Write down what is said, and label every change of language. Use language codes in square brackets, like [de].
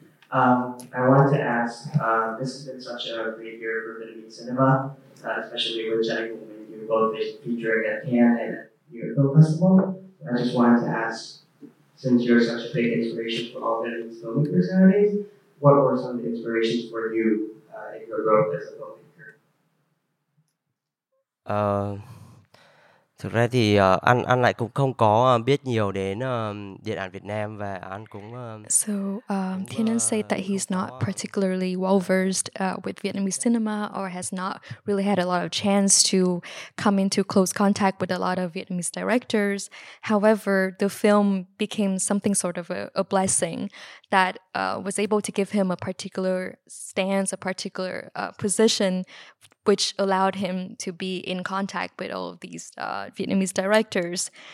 [en] I wanted to ask, this has been such a great year for Vietnamese cinema, especially with Jenny Woman, you both featuring at Tien and your film festival. I just wanted to ask, since you're such a big inspiration for all Vietnamese filmmakers nowadays, what were some of the inspirations for you in your role as a filmmaker? [vi] Thực ra thì anh lại cũng không có biết nhiều đến điện ảnh Việt Nam và anh cũng [en] Thien An said that he's not particularly well versed with Vietnamese cinema or has not really had a lot of chance to come into close contact with a lot of Vietnamese directors. However, the film became something sort of a blessing that was able to give him a particular stance, a particular position, which allowed him to be in contact with all of these Vietnamese directors.